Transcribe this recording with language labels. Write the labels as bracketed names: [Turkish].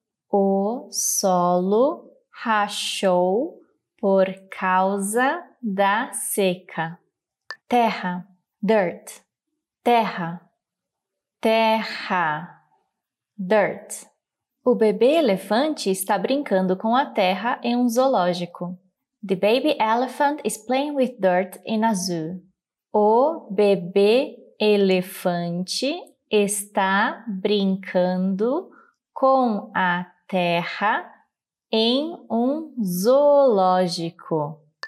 [Portuguese] O solo rachou por causa da seca. Terra. [English] Dirt. [Portuguese] Terra. Terra. [English] Dirt. [Portuguese] O bebê elefante está brincando com a terra em zoológico. [English] The baby elephant is playing with dirt in a zoo. [Portuguese] O bebê elefante está brincando com a terra em zoológico.